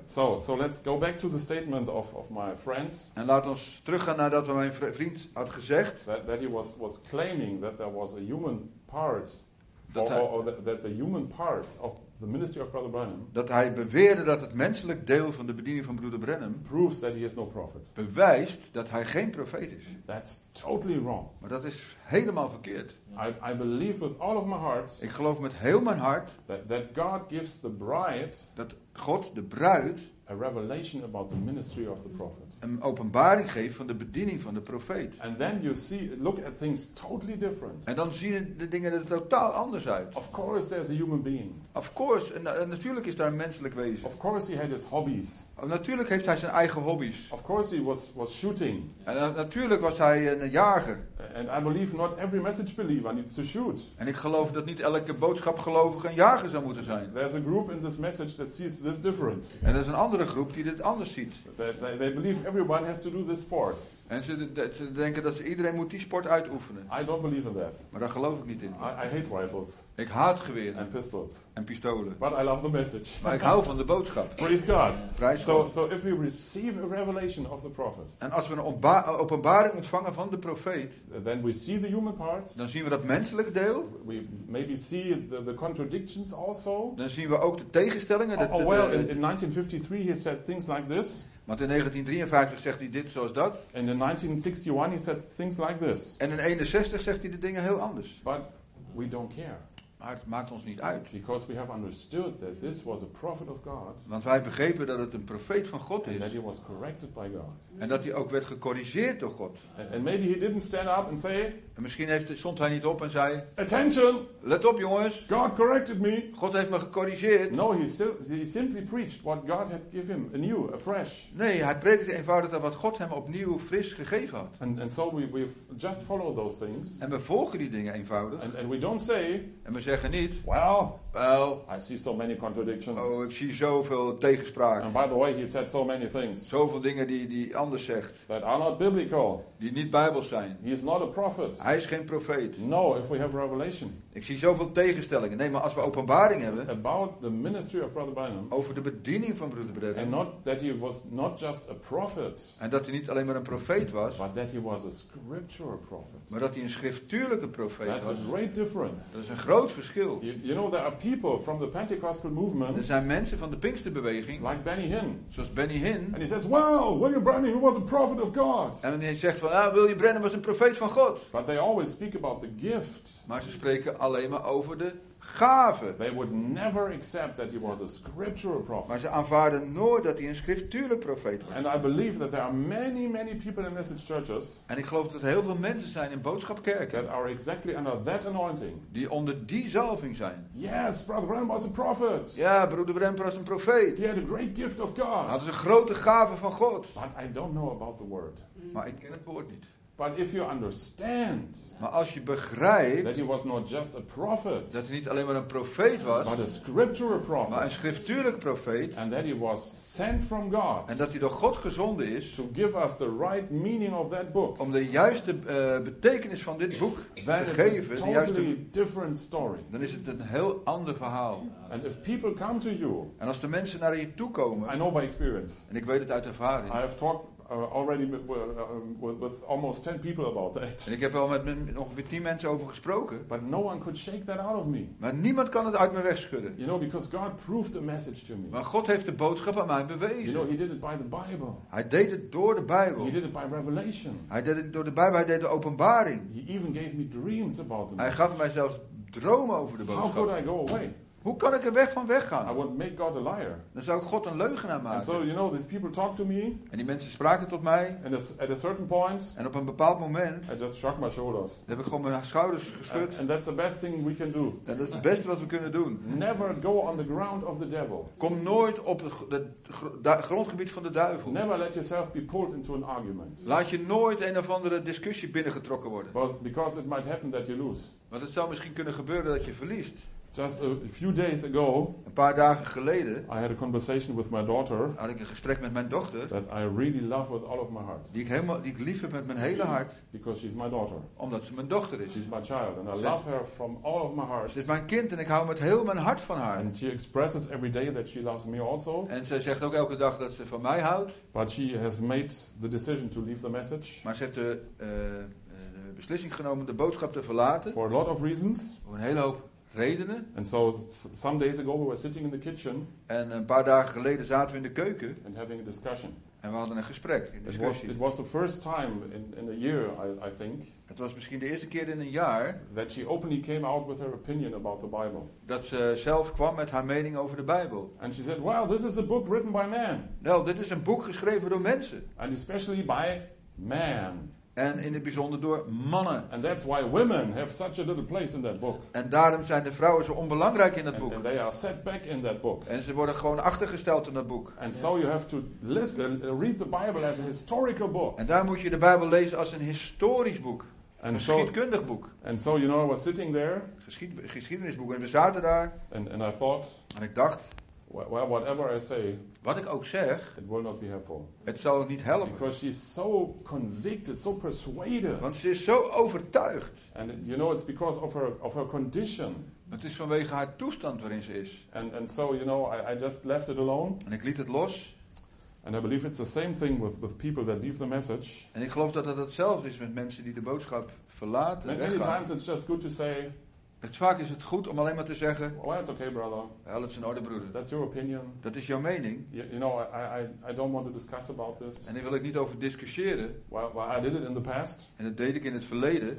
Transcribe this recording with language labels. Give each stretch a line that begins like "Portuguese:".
English: So let's go back to the statement of my friend.
Dutch: En laat ons teruggaan naar dat wat mijn vriend had gezegd.
English: That he was claiming that there was a human part, that the human part of the ministry of Brother Branham.
Dutch: Dat hij beweerde dat het menselijk deel van de bediening van broeder Branham
English: proves that he is no prophet.
Dutch: Bewijst dat hij geen profeet is.
English: That's totally wrong.
Dutch: Maar dat is helemaal verkeerd.
English: I believe with all of my heart.
Dutch: Ik geloof met heel mijn hart
English: that God gives the bride.
Dutch: Dat God de bruid
English: a revelation about the ministry of the prophet.
Dutch: Een openbaring geeft van de bediening van de profeet.
English: And then you see, look at things totally different.
Dutch: En dan zien de dingen er totaal anders uit.
English: Of course there's a human being. Of course,
Dutch: en natuurlijk is daar een menselijk wezen.
English: Of course he had his hobbies.
Dutch: Natuurlijk heeft hij zijn eigen hobby's.
English: Of course he was shooting.
Dutch: En natuurlijk was hij een jager.
English: And I believe not every message believer needs to shoot.
Dutch: En ik geloof dat niet elke boodschapgelovige een jager zou moeten zijn.
English: There's a group in this message that sees this different.
Dutch: En er is een andere groep die dit anders ziet.
English: They believe everyone has to do this sport.
Dutch: En ze denken dat iedereen moet die sport uitoefenen.
English: I don't believe in that.
Dutch: Maar daar geloof ik niet in.
English: I hate rifles.
Dutch: Ik haat geweren.
English: And pistols.
Dutch: En pistolen.
English: But I love the message.
Dutch: Maar ik hou van de boodschap.
English: Praise God.
Dutch: Prijs God.
English: So if we receive a revelation of the prophet.
Dutch: En als we een openbaring ontvangen van de profeet.
English: Then we see the human part.
Dutch: Dan zien we dat menselijke deel.
English: We maybe see the contradictions also.
Dutch: Dan zien we ook de tegenstellingen.
English: In 1953 he said things like this.
Dutch: Want in 1953 zegt hij dit zoals dat.
English: And in 1961 he said things like this.
Dutch: En in 1961 zegt hij de dingen heel anders.
English: But we don't care.
Dutch: Maar het maakt ons niet uit.
English: Because we have understood that this was a prophet of God.
Dutch: Want wij begrepen dat het een profeet van God is.
English: And that he was corrected by God.
Dutch: En dat hij ook werd gecorrigeerd door God.
English: And maybe he didn't stand up and say.
Dutch: En misschien stond hij niet op en zei.
English: Attention.
Dutch: Let op jongens.
English: God corrected me.
Dutch: God heeft me gecorrigeerd.
English: No, he simply preached what God had given him anew, afresh.
Dutch: Nee, hij predikte eenvoudig dat wat God hem opnieuw fris gegeven had.
English: And so we just follow those things.
Dutch: En we volgen die dingen eenvoudig.
English: And we don't say.
Dutch: En we zeggen niet.
English: Well, I see so many contradictions.
Dutch: Oh, ik zie zoveel tegenspraak.
English: And by the way, he said so many things.
Dutch: Zoveel dingen die anders zegt.
English: That are not biblical.
Dutch: Die niet bijbels zijn.
English: He is not a prophet.
Dutch: Hij is geen profeet.
English: No, if we have revelation.
Dutch: Ik zie zoveel tegenstellingen. Nee, maar als we openbaring hebben.
English: About the ministry of Brother Branham.
Dutch: Over de bediening van Broeder Branham.
English: And not that he was not just a prophet.
Dutch: En dat hij niet alleen maar een profeet was.
English: But that he was a scriptural prophet.
Dutch: Maar dat hij een schriftuurlijke profeet
English: That's
Dutch: was.
English: That's a great difference.
Dutch: Dat is een groot verschil.
English: You know, there are people from the Pentecostal movement.
Dutch: Er zijn mensen van de Pinksterbeweging.
English: Like Benny Hinn.
Dutch: Zoals Benny Hinn.
English: And he says, wow, William Branham, he was a prophet of God.
Dutch: En hij zegt van, ah, William Branham was een profeet van God.
English: But they always speak about the gift.
Dutch: Maar ze spreken alleen maar over de gave.
English: They would never accept that he was a scriptural prophet.
Dutch: Maar ze aanvaarden nooit dat hij een schriftuurlijk profeet was.
English: And I believe that there are many, many people in message churches.
Dutch: En ik geloof dat er heel veel mensen zijn in boodschapkerken.
English: That are exactly under that anointing.
Dutch: Die onder die zalving zijn.
English: Yes, Brother Branham was a prophet.
Dutch: Ja, Broeder Branham was een profeet.
English: He had a great gift of God.
Dutch: Hij had een grote gave van God.
English: But I don't know about the word.
Dutch: Maar ik ken het woord niet.
English: But if you understand,
Dutch: maar als je begrijpt
English: that he was not just a prophet,
Dutch: dat hij niet alleen maar een profeet was,
English: but a scriptural prophet,
Dutch: maar een schriftuurlijk profeet,
English: and that he was sent from God,
Dutch: en dat hij door God gezonden is,
English: to give us the right meaning of that book,
Dutch: om de juiste betekenis van dit boek te geven,
English: totally
Dutch: juiste,
English: different story.
Dutch: Dan is het een heel ander verhaal.
English: And if people come to you,
Dutch: en als de mensen naar je toe komen,
English: I know by experience,
Dutch: en ik weet het uit ervaring,
English: I have talked already with almost 10 people about that.
Dutch: En ik heb al met ongeveer 10 mensen over gesproken.
English: But no one could shake that out of me.
Dutch: Maar niemand kan het uit me wegschudden.
English: You know, because God proved the message to me.
Dutch: Maar God heeft de boodschap aan mij bewezen.
English: You know, he did it by the Bible.
Dutch: Hij deed het door de Bijbel.
English: He did it by revelation.
Dutch: Hij deed het door de Bijbel. Hij deed de openbaring.
English: He even gave me dreams about the message.
Dutch: Hij gaf mij zelfs dromen over de boodschap.
English: How could I go away?
Dutch: Hoe kan ik er weg van weggaan?
English: I would make God a liar.
Dutch: Dan zou ik God een leugenaar maken.
English: And so, you know, these people talk to me,
Dutch: en die mensen spraken tot mij.
English: And at a certain point,
Dutch: en op een bepaald moment.
English: I just shrugged my shoulders.
Dutch: Dan heb ik gewoon mijn schouders geschud.
English: And that's the best thing we can do.
Dutch: En dat is het beste wat we kunnen doen.
English: Never go on the ground of the devil.
Dutch: Kom nooit op het grondgebied van de duivel.
English: Never let yourself be pulled into an argument.
Dutch: Laat je nooit een of andere discussie binnengetrokken worden.
English: Because it might happen that you lose.
Dutch: Want het zou misschien kunnen gebeuren dat je verliest.
English: Just a few days ago,
Dutch: een paar dagen geleden,
English: I had a conversation with my daughter.
Dutch: Had ik een gesprek met mijn dochter.
English: That I really love with all of my heart.
Dutch: Die ik lief heb met mijn hele hart.
English: Because she's my daughter.
Dutch: Omdat ze mijn dochter is.
English: She's my child, and I love her from all of my heart.
Dutch: Ze is mijn kind en ik hou met heel mijn hart van haar.
English: And she expresses every day that she loves me also.
Dutch: En ze zegt ook elke dag dat ze van mij houdt.
English: But she has made the decision to leave the message.
Dutch: Maar ze heeft de beslissing genomen de boodschap te verlaten.
English: For a lot of reasons.
Dutch: Voor een hele hoop. Redenen.
English: And so some days ago we were sitting in the kitchen.
Dutch: En een paar dagen geleden zaten we in de keuken.
English: And having a discussion.
Dutch: En we hadden een gesprek. Een discussie.
English: It was the first time in a year, I think.
Dutch: Het was misschien de eerste keer in een jaar.
English: That she openly came out with her opinion about the Bible.
Dutch: Dat ze zelf kwam met haar mening over de Bijbel.
English: And she said, "Well, this is a book written by man."
Dutch: Nou, dit is een boek geschreven door mensen.
English: And especially by man.
Dutch: En in het bijzonder door mannen.
English: And that's why women have such a little place in that book.
Dutch: En daarom zijn de vrouwen zo onbelangrijk in dat boek.
English: And they are set back in that book.
Dutch: En ze worden gewoon achtergesteld in dat boek.
English: And so you have to listen, read the Bible as a historical book.
Dutch: En daar moet je de Bijbel lezen als een historisch boek. Een geschiedkundig boek.
English: And so you know I was sitting there.
Dutch: Geschiedenisboek en we zaten daar.
English: And I thought.
Dutch: En ik dacht.
English: Well, whatever I say,
Dutch: wat ik ook zeg,
English: it will not be helpful.
Dutch: Het zal niet helpen.
English: Because she's so convicted, so persuaded.
Dutch: Want ze is zo overtuigd.
English: And you know, it's because of her condition.
Dutch: Het is vanwege haar toestand waarin ze is.
English: And so you know, I just left it alone.
Dutch: En ik liet het los.
English: And I believe it's the same thing with people that leave the message.
Dutch: En ik geloof dat het hetzelfde is met mensen die de boodschap verlaten.
English: Many times it's just good to say.
Dutch: Vaak is het goed om alleen maar te zeggen.
English: Well, that's okay, brother. Well, it's in order, broeder. That's your opinion.
Dutch: Dat is jouw mening.
English: You know, I don't want to discuss about this.
Dutch: En hier wil ik niet over discussiëren.
English: Well, I did it in the past.
Dutch: En dat deed ik in het verleden.